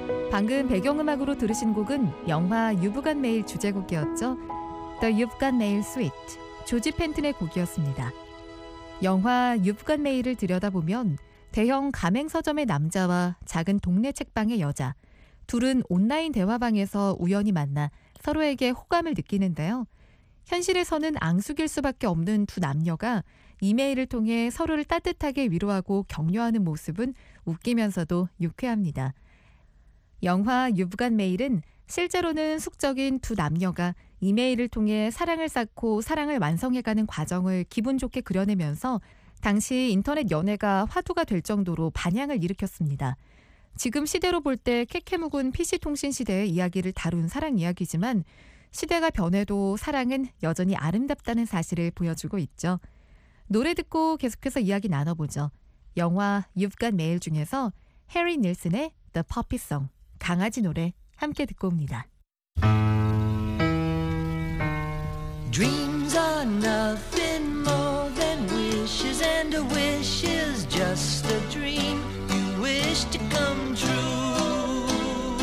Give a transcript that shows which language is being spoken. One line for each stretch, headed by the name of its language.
Korean: 방금 배경음악으로 들으신 곡은 영화 You've Got Mail 주제곡이었죠. The You've Got Mail Suite, 조지 펜튼의 곡이었습니다. 영화 You've Got Mail을 들여다보면 대형 가맹서점의 남자와 작은 동네 책방의 여자, 둘은 온라인 대화방에서 우연히 만나 서로에게 호감을 느끼는데요. 현실에서는 앙숙일 수밖에 없는 두 남녀가 이메일을 통해 서로를 따뜻하게 위로하고 격려하는 모습은 웃기면서도 유쾌합니다. 영화 You've Got Mail은 실제로는 숙적인 두 남녀가 이메일을 통해 사랑을 쌓고 사랑을 완성해가는 과정을 기분 좋게 그려내면서 당시 인터넷 연애가 화두가 될 정도로 반향을 일으켰습니다. 지금 시대로 볼 때 캐캐묵은 PC통신 시대의 이야기를 다룬 사랑 이야기지만 시대가 변해도 사랑은 여전히 아름답다는 사실을 보여주고 있죠. 노래 듣고 계속해서 이야기 나눠보죠. 영화 You've Got Mail 중에서 해리 닐슨의 The Puppy Song, 강아지 노래 함께 듣고 옵니다.
English: Dreams are nothing more than wishes and a wish is just a dream you wish to come true.